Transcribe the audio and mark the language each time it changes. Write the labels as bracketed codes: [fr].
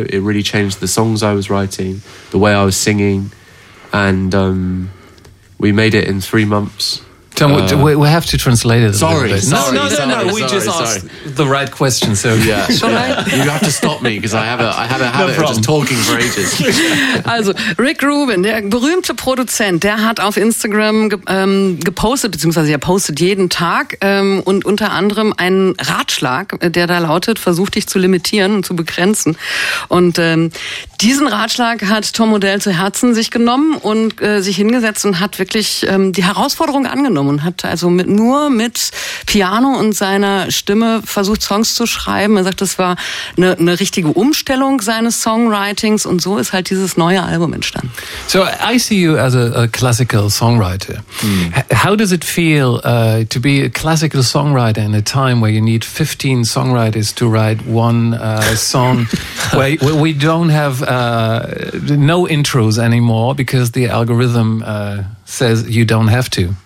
[en] It really changed the songs I was writing, the way I was singing. And we made it in 3 months. Tom, we have to translate it. We just asked the right question. So yeah. You have to stop me because I have a habit of just talking for ages. [de] Also Rick Rubin, der berühmte Produzent, der hat auf Instagram gepostet, beziehungsweise er postet jeden Tag und unter anderem einen Ratschlag, der da lautet: Versuch dich zu limitieren und zu begrenzen. Und diesen Ratschlag hat Tom O'Dell zu Herzen sich genommen und sich hingesetzt und hat wirklich die Herausforderung angenommen. Und hat also nur mit Piano und seiner Stimme versucht, Songs zu schreiben. Er sagt, das war eine richtige Umstellung seines Songwritings. Und so ist halt dieses neue Album entstanden. [en] So, I see you as a classical songwriter. Hmm. How does it feel to be a classical songwriter in a time where you need 15 songwriters to write one song where we don't have no intros anymore because the algorithm says you don't have to?